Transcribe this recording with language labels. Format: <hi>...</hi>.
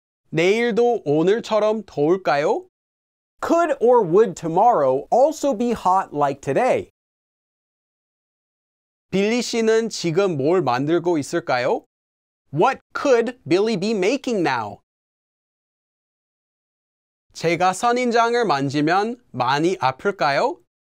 <ko>내일도 오늘처럼 더울까요?</ko> <en>Could or would tomorrow also be hot like today?</en> <ko>빌리 씨는 지금 뭘 만들고 있을까요?</ko> <en>What could Billy be making now?</en> <ko>제가 선인장을 만지면 많이 아플까요?</ko>